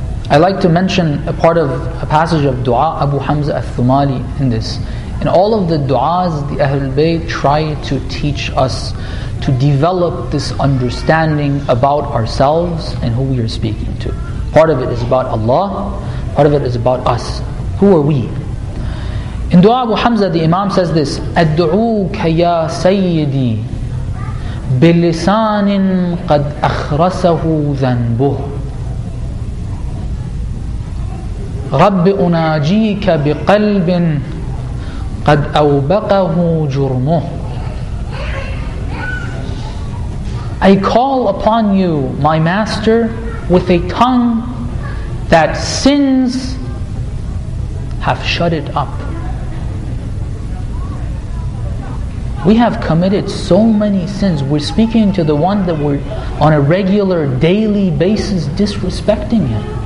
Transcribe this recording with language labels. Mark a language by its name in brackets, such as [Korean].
[English] I like to mention a part of a passage of dua Abu Hamza al-Thumali in this. In all of the du'as, the Ahlul Bayt try to teach us to develop this understanding about ourselves and who we are speaking to. Part of it is about Allah, part of it is about us. Who are we? In dua Abu Hamza, the Imam says this, [Arabic] أَدْعُوكَ يَا سَيِّدِي بِلِسَانٍ قَدْ أَخْرَسَهُ ذَنْبُهُ رَبِّ أُنَاجِيكَ بِقَلْبٍ قَدْ أَوْبَقَهُ جُرْمُهُ. [English] I call upon you, my master, with a tongue that sins have shut it up. We have committed so many sins. We're speaking to the one that we're on a regular, daily basis disrespecting Him.